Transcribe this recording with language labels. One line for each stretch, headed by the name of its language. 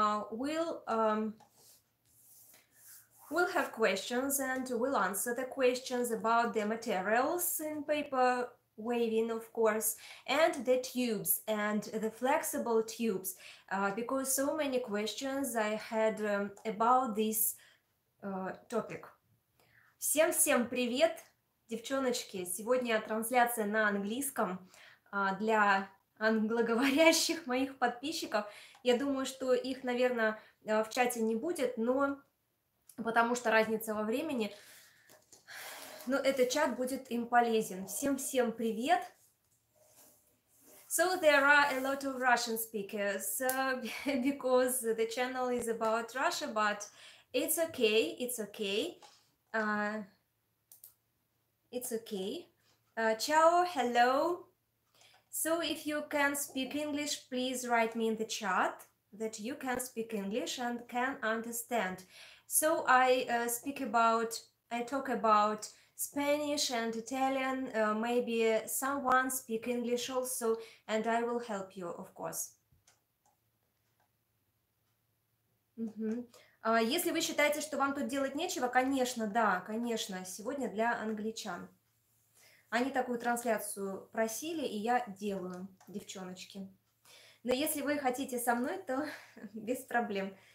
English: we'll have questions and we'll answer the questions about the materials in paper waving, of course, and the tubes and the flexible tubes, because so many questions I had about this topic.
Russian: Всем-всем привет, девчоночки! Сегодня трансляция на английском для англоговорящих моих подписчиков. Я думаю, что их, наверное, в чате не будет, но потому что разница во времени. Но этот чат будет им полезен. Всем-всем привет!
English: So there are a lot of Russian speakers because the channel is about Russia, but it's okay, it's okay. It's okay. Ciao, hello. So if you can speak English, please write me in the chat that you can speak English and can understand. So I talk about Spanish and Italian, maybe someone speak English also, and I will help you, of course.
Russian: Если вы считаете, что вам тут делать нечего, конечно, да, конечно, сегодня для англичан. Они такую трансляцию просили, и я делаю, девчоночки. Но если вы хотите со мной, то без проблем.